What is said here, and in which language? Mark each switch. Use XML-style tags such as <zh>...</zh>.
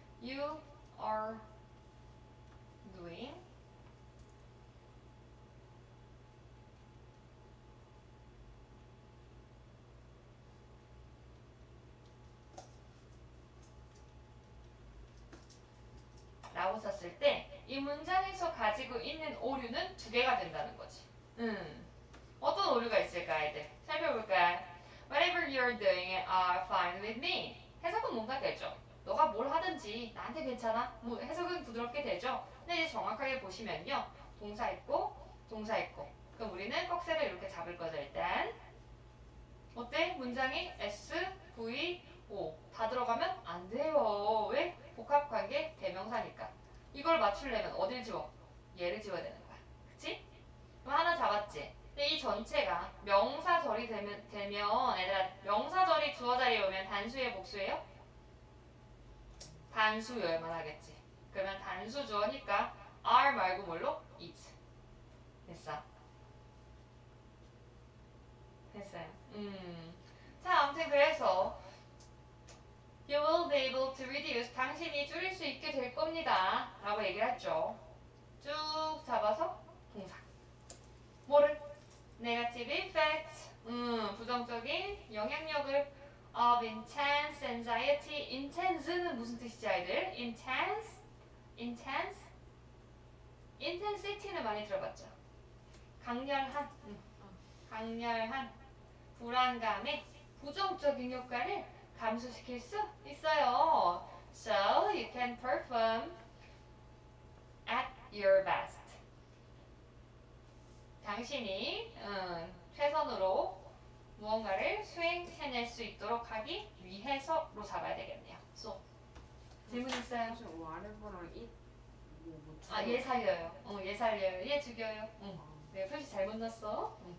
<en>You are doing</en> <ko>라고 썼을 때 이 문장에서 가지고 있는 오류는 두 개가 된다는 거지. 어떤 오류가 있을까 애들 살펴볼까요?</ko> <en>Whatever you're doing are fine with me.</en> <ko>해석은 뭔가 되죠. 너가 뭘 하든지 나한테 괜찮아. 뭐 해석은 부드럽게 되죠. 근데 이제 정확하게 보시면요. 동사 있고 동사 있고. 그럼 우리는 꺽쇠를 이렇게 잡을 거죠. 일단 어때? 문장이 SVO 다 들어가면 안 돼요. 왜? 복합관계 대명사니까. 이걸 맞추려면 어딜 지워? 얘를 지워야 되는 거야. 그치? 하나 잡았지? 근데 이 전체가 명사절이 되면 얘들아 명사절이 주어 자리에 오면 단수예요, 복수예요? 단수여야 말하겠지. 그러면 단수 주어니까 are 말고 뭘로? is. 됐어. 됐어요. 자, 아무튼 그래서</ko> <en>you will be able to reduce</en> <ko>당신이 줄일 수 있게 될 겁니다. 라고 얘기를 했죠. 쭉 잡아서 동사. 뭐를?</ko> <en>negative effect.</en> <ko>부정적인 영향력을</ko> <en>of intense anxiety.</en> <ko>intense는 무슨 뜻이지, 아이들? intense? intensity는 많이 들어봤죠. 강렬한. 강렬한. 불안감의 부정적인 효과를 감소시킬 수 있어요.</ko> <en>So you can perform at your best.</en> <ko>당신이 최선으로 무언가를 수행해낼 수 있도록 하기 위해서로 잡아야 되겠네요. So 질문 있어요? 혹시 whatever랑 it 아, 얘 살려요. 얘 살려요. 얘 죽여요. 내가 표시 잘못 넣었어.</ko>